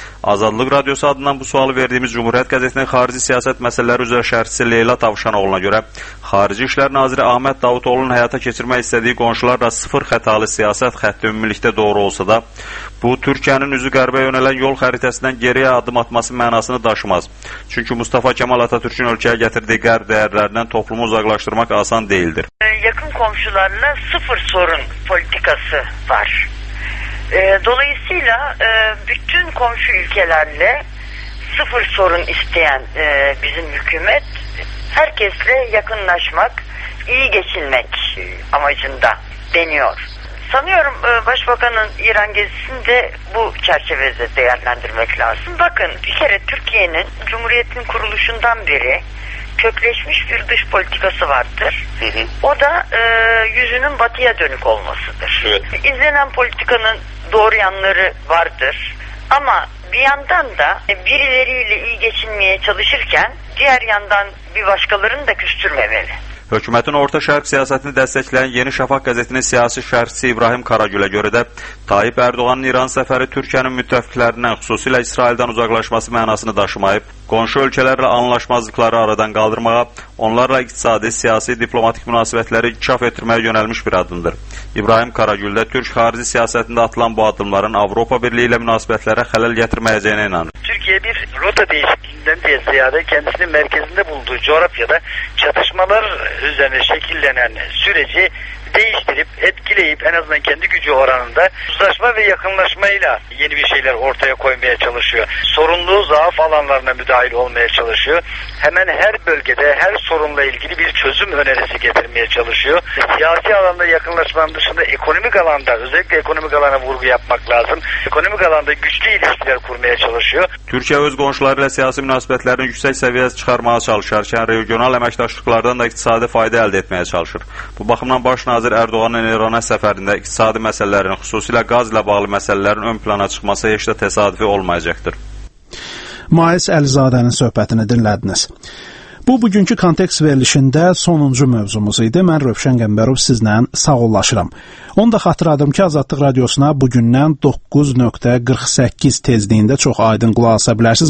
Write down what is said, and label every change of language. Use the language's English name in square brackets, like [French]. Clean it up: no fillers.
[Azerbaijani] Azadlıq Radiosu adından bu sualı verdiyimiz Cumhuriyyət qəzetinin xarici siyasət məsələləri üzrə şərhçisi Leyla Tavşanoğluna görə, Xarici İşlər Naziri Ahmet Davutoğlu'nun həyata keçirmək istədiyi qonşularla sıfır xətalı siyasət xətti ümumilikdə doğru olsa da, bu Türkiyənin üzü qərbə yönələn yol xəritəsindən geriyə adım atması mənasını daşımaz. Çünki Mustafa Kemal Atatürk'ün ölkəyə gətirdiyi qərb dəyərlərindən toplumu uzaqlaşdırmaq asan deyildir. [Turkish] Yakın komşularına sıfır sorun politikası var. Dolayısıyla bütün komşu ülkelerle sıfır sorun isteyen bizim hükümet, herkesle yakınlaşmak, iyi geçinmek amacında deniyor. Sanıyorum Başbakan'ın İran gezisinde bu çerçevede değerlendirmek lazım. Bakın, bir kere Türkiye'nin Cumhuriyet'in kuruluşundan beri kökleşmiş bir dış politikası vardır. O da yüzünün batıya dönük olmasıdır. Evet. İzlenen politikanın doğru yanları vardır. Ama bir yandan da birileriyle iyi geçinmeye çalışırken diğer yandan bir başkalarını da küstürmemeli. [Azerbaijani] Hökumətin Orta Şərq siyasətini dəstəkləyən Yeni Şafaq qəzetinin siyasi şərhçisi İbrahim Karagülə görə də Tayyip Ərdoğanın İran səfəri Türkiyənin müttəfiqlərindən xüsusilə İsraildən uzaqlaşması mənasını daşımayıb, qonşu ölkələrlə anlaşmazlıqları aradan qaldırmağa, onlarla iqtisadi, siyasi, diplomatik münasibətləri inkişaf etdirməyə yönəlmiş bir addımdır. İbrahim Karagül də Türk xarici siyasətində atılan bu addımların Avropa Birliyi ilə münasibətlərə xələl gətirməyəcəyinə inanır. [Turkish] Türkiyə bir rota değişikliğinden ziyade kendisinin merkezinde bulunduğu coğrafyada çatışmalar üzerine şekillenen süreci değiştirip, etkileyip en azından kendi gücü oranında uzlaşma ve yakınlaşmayla yeni bir şeyler ortaya koymaya çalışıyor. Sorunlu zaaf alanlarına müdahil olmaya çalışıyor. Hemen her bölgede her sorunla ilgili bir çözüm önerisi getirmeye çalışıyor. Siyasi alanda yakınlaşmanın dışında ekonomik alanda, özellikle ekonomik alana vurgu yapmak lazım. Ekonomik alanda güçlü ilişkiler kurmaya çalışıyor. [Azerbaijani] Türkiye öz komşularıyla siyasi münasibetlerini yüksek seviyeye çıkarmaya çalışırken regional emektaşlıklardan da iktisadi fayda elde etmeye çalışır. Bu bakımdan başına Nazir Erdoğan'ın İran'a səfərində iqtisadi məsələlərin, xüsusilə qaz ilə bağlı məsələlərin ön plana çıxması heç də təsadüfi olmayacaqdır. Mais Əlizadənin söhbətini dinlədiniz. Bu, bugünkü kontekst verilişində sonuncu mövzumuz idi. Mən Rövşən Qəmbərov sizlə sağollaşıram. Onu da xatırladım ki, Azadlıq Radiosuna bugündən 9.48 tezliyində çox aydın qulaq asa bilərsiniz.